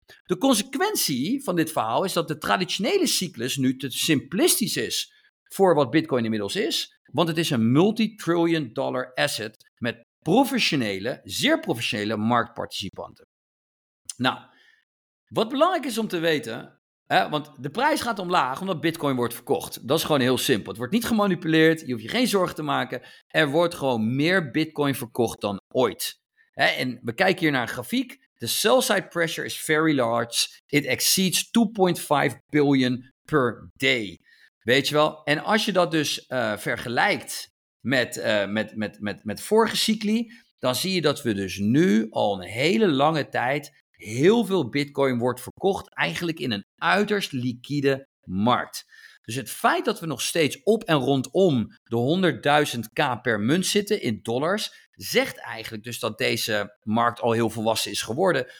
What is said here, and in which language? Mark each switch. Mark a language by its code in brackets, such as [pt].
[nl] De consequentie van dit verhaal is dat de traditionele cyclus nu te simplistisch is voor wat Bitcoin inmiddels is, want het is een multi-trillion dollar asset met professionele, zeer professionele marktparticipanten. Nou, wat belangrijk is om te weten, want de prijs gaat omlaag omdat Bitcoin wordt verkocht. Dat is gewoon heel simpel. Het wordt niet gemanipuleerd, je hoeft je geen zorgen te maken. Er wordt gewoon meer Bitcoin verkocht dan ooit. En we kijken hier naar een grafiek. [en] The sell side pressure is very large. It exceeds 2.5 billion per day. [nl] Weet je wel? En als je dat dus vergelijkt met vorige cycli, dan zie je dat we dus nu al een hele lange tijd heel veel Bitcoin wordt verkocht, eigenlijk in een uiterst liquide markt. Dus het feit dat we nog steeds op en rondom de 100.000k per munt zitten in dollars, zegt eigenlijk dus dat deze markt al heel volwassen is geworden.